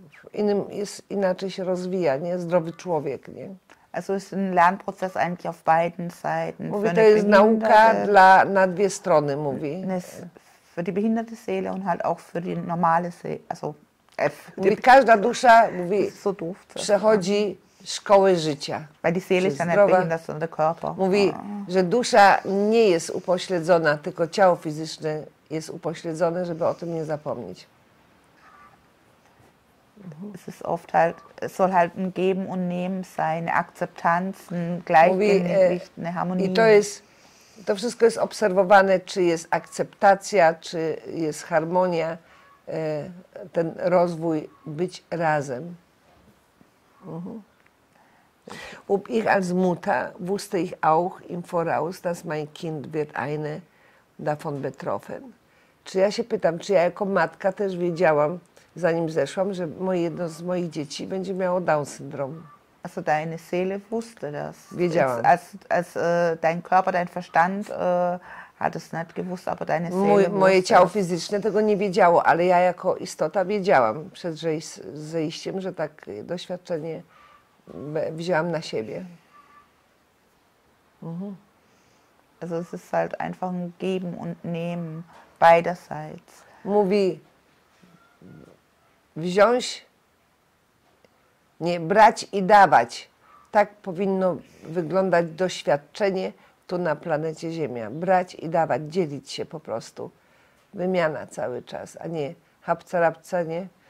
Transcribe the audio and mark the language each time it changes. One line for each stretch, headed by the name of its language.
Polish: W innym jest inaczej się rozwija, nie? Zdrowy człowiek, nie?
German: Also ist ein Lernprozess eigentlich auf beiden Seiten.
Polish: Mówi, to jest nauka na dwie strony, mówi.
German: Für die behinderte Seele und halt auch für die normale Seele, also F.
Polish: Mówi, każda dusza, mówi,
German: so doof,
Polish: przechodzi szkołę życia.
German: Weil die Seele ist ja nicht behindert, sondern der Körper.
Polish: Mówi, że dusza nie jest upośledzona, tylko ciało fizyczne jest upośledzone, żeby o tym nie zapomnieć.
German: Es ist oft halt, es soll halt ein Geben und Nehmen sein, eine Akzeptanz, ein Gleichgewicht, eine Harmonie.
Polish: I to jest, to wszystko jest obserwowane, czy jest akceptacja, czy jest harmonia, ten rozwój, być razem.
German: Ob ich als Mutter wusste ich auch im Voraus, dass mein Kind wird eine davon betroffen.
Polish: Czy ja się pytam, czy ja jako matka też wiedziałam, zanim zeszłam, że jedno z moich dzieci będzie miało Down syndrom.
German: Also deine Seele wusste das.
Polish: Wiedziałam.
German: Dein Körper, dein Verstand hat es nicht gewusst, aber deine Seele
Polish: moje ciało fizyczne tego nie wiedziało, ale ja jako istota wiedziałam przed zejściem, że tak doświadczenie wzięłam na siebie.
German: Also es ist halt einfach ein Geben und Nehmen beiderseits.
Polish: Mówi, wziąć, nie, brać i dawać. Tak powinno wyglądać doświadczenie tu na planecie Ziemia. Brać i dawać, dzielić się po prostu. Wymiana cały czas, a nie hapca-rapca, nie?